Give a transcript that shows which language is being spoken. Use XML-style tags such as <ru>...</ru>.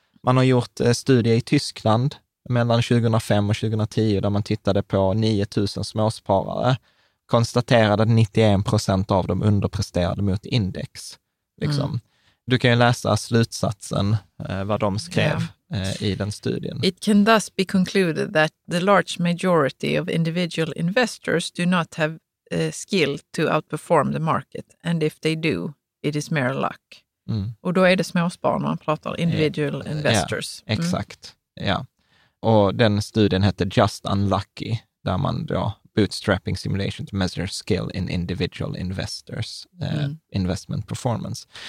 <sv>Man har gjort studier i Tyskland mellan 2005 och 2010 där man tittade på 9000 småsparare. Konstaterade att 91% av dem underpresterade mot index. Liksom. Mm. Du kan ju läsa slutsatsen, vad de skrev i den studien.</sv> <en>It can thus be concluded that the large majority of individual investors do not have skill to outperform the market. And if they do, it is mere luck. Mm.</en> <sv>Och då är det småsparare man pratar, individual investors. Ja, exakt, ja. Och den studien hette Just Unlucky, där man då</sv> <en>bootstrapping simulation to measure skill in individual investors investment performance.</en>